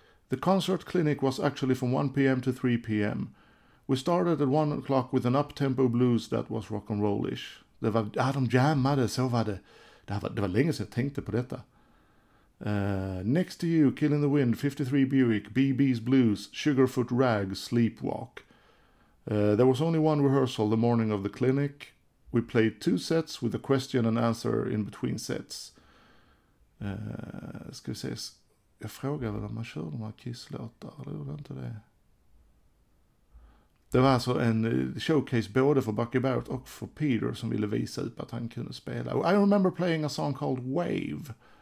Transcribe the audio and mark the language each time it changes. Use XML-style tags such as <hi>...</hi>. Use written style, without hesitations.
<en>The concert clinic was actually from 1 p.m. to 3 p.m. We started at 1 o'clock with an uptempo blues that was rock and rollish.</en> <sv>Det var, ja, de jammade, så var det. Det var länge sedan jag tänkte på detta.</sv> <en>Next to You, Kill in the Wind, 53 Buick, BB's Blues, Sugarfoot Rag, Sleepwalk. There was only one rehearsal the morning of the clinic. We played 2 sets with a question and answer in between sets.</en> <sv>Ska vi se, jag frågar väl om man kör de här Kiss-låtar, eller gjorde inte det? Det var alltså en showcase både för Bucky Barrett och för Peter som ville visa upp att han kunde spela.</sv> <en>I remember playing a song called Wave.</en>